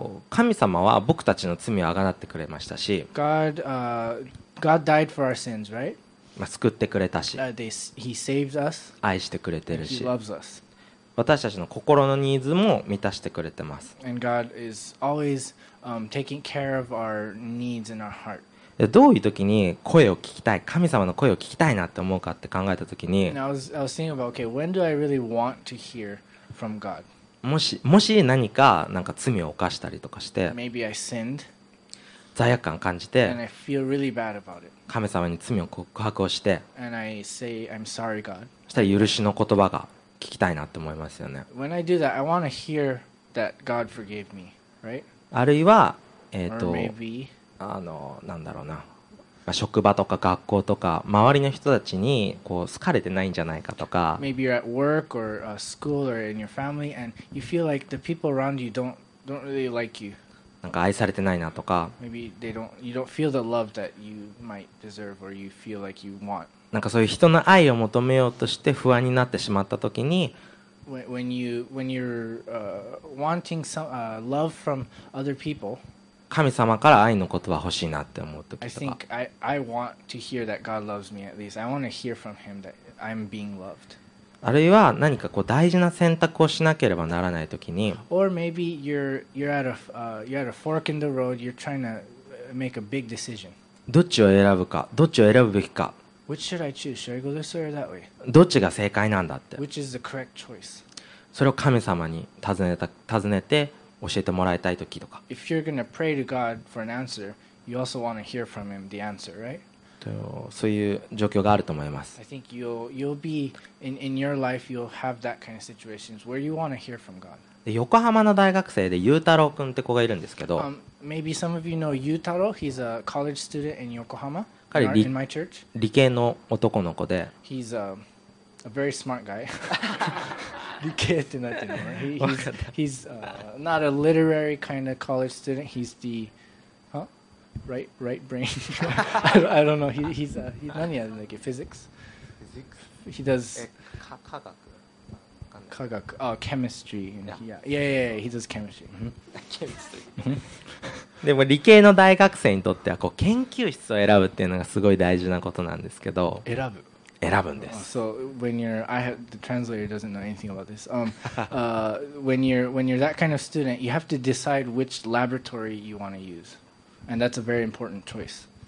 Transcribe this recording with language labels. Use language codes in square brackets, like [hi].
[ja] 神様は僕たちの罪をあがなってくれましたし、 [en] God died for our sins, right? [ja] 救ってくれたし、 [en] He saves us, [ja] 愛してくれてるし、 [en] He loves us. [ja] 私たちの心のニーズも満たしてくれてます。 [en] And God is always, taking care of our needs in our heart. [ja] どういう時に声を聞きたい、神様の声を聞きたいなって思うかって考えた時に、 [en] Now I was thinking about, okay, when do I really want to hear from God? [ja] もし何かなんか罪を犯したりとかして [en] Maybe I sinned, [ja] 罪悪感を感じて [en] and I feel really bad about it. [ja] 神様に罪を告白をして [en] and I say, I'm sorry, God. [ja] そしたら許しの言葉が聞きたいなって思いますよね。 [en] When I do that, I want to hear that God forgave me, right? [ja] あるいは、 [en] Or maybe... [ja] なんだろうな、職場とか学校とか周りの人たちにこう好かれてないんじゃないかとか、 [en] Maybe you're at work or school or in your family and you feel like the people around you don't really like you. [ja] なんか愛されてないなとか、 [en] Maybe you don't feel the love that you might deserve or you feel like you want. [ja] なんかそういう人の愛を求めようとして不安になってしまった時に、 [en] When you're wanting some love from other people. [ja] 神様から愛の言葉欲しいなって思うときとか、 [en] I think I want to hear that God loves me at least. I want to hear from Him that I'm being loved. [ja] あるいは何かこう大事な選択をしなければならないときに、 [en] Or maybe you're at a fork in the road. You're trying to make a big decision. [ja] どっちを選ぶか、どっちを選ぶべきか。 [en] Which should I choose? Should I go this way or that way? [ja] どっちが正解なんだって。 [en] Which is the correct choice? [ja] それを神様に尋ねて。教えてもらいたいときとか。 [en] If you're going to pray to God for an answer, you also want to hear from Him the answer, right? [ja] そういう状況があると思います。 [en] I think you'll be in your life, you'll have that kind of situations where you want to hear from God. [ja] 横浜の大学生でゆうたろうくんって子がいるんですけど。 [en] Maybe some of you know Yutaro. He's a college student in Yokohama, in my church. [ja] 理系の男の子で。 [en] He's a very smart guy. [ja] 理系ってなってるの。 [en] He's not a literary kind of college student. He's the right brain. I don't know. He's [ja] 何やるんだっけ？ [en] Physics. He does [ja] 科学。 [en] Chemistry. Yeah. He does chemistry. [ja] でも理系の大学生にとってはこう研究室を選ぶっていうのがすごい大事なことなんですけど。選ぶんです。 [en] So when you're, the translator doesn't know anything about this. when you're that kind of student, you have to decide which laboratory you want to use, and that's a very important choice.